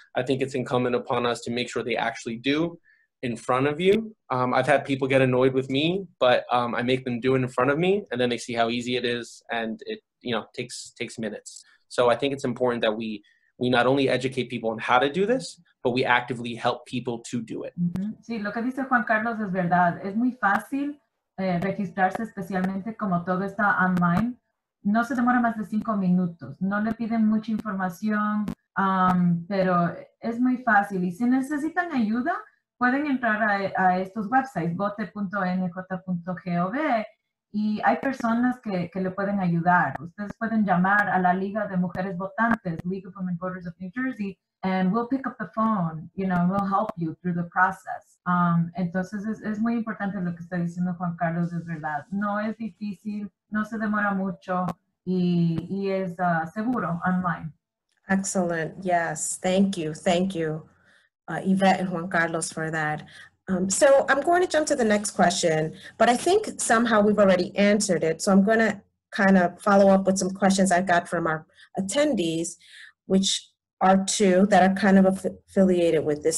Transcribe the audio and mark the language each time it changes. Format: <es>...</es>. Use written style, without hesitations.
<en>I think it's incumbent upon us to make sure they actually do in front of you. I've had people get annoyed with me, but I make them do it in front of me, and then they see how easy it is, and it, you know, takes minutes. So I think it's important that we not only educate people on how to do this, but we actively help people to do it. Mm-hmm.</en> <es>Sí, lo que dice Juan Carlos es verdad. Es muy fácil registrarse, especialmente como todo está online. No se demora más de 5 minutos. No le piden mucha información, pero es muy fácil. Y si necesitan ayuda, pueden entrar a estos websites, vote.nj.gov, y hay personas que le pueden ayudar. Ustedes pueden llamar a la Liga de Mujeres Votantes,</es> <en>League of Women Voters of New Jersey, and we'll pick up the phone, you know, and we'll help you through the process.</en> <es>Entonces, es muy importante lo que está diciendo Juan Carlos, es verdad. No es difícil, no se demora mucho, y es seguro online.</es> <en>Excellent, yes. Thank you. Thank you, Yvette and Juan Carlos, for that. So I'm going to jump to the next question, but I think somehow we've already answered it. So I'm going to kind of follow up with some questions I got from our attendees, which are two that are kind of affiliated with this.</en>